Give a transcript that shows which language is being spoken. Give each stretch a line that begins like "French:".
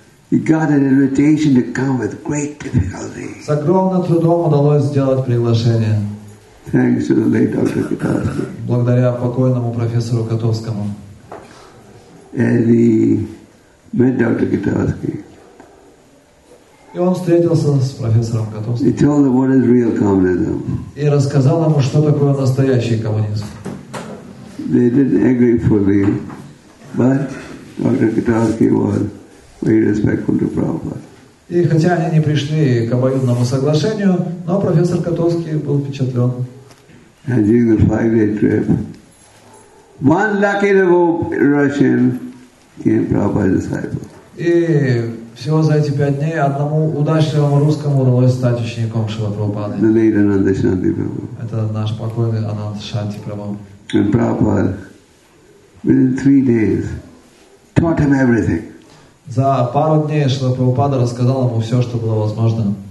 English: He got an invitation to come with great difficulty.
Russian: С огромным трудом удалось сделать приглашение.
English: Thanks to the late Dr. Katowski.
Russian: Благодаря покойному профессору Котовскому.
English: And he met Dr. Katowski.
Russian: И он встретился с профессором Котовским.
English: He told him what is real communism.
Russian: И рассказал ему, что такое настоящий коммунизм.
English: They didn't agree fully, but Dr. Katowski was very respectful to Prabhupada.
Russian: И хотя они не пришли к обоюдному соглашению, но профессор Котовский был впечатлен.
English: And during the 5-day trip, one lucky Russian came Prabhupada's disciple.
Russian: И всего за эти 5 дней одному удачливому русскому удалось стать учеником Шрилы Прабхупады.
English: The late Ananda Shanti Prabhu.
Russian: Это наш покойный Ананда Шанти Прабху.
English: And Prabhupada, within 3 days, taught him everything.
Russian: За пару дней Шрила Прабхупада рассказал ему все, что было возможно.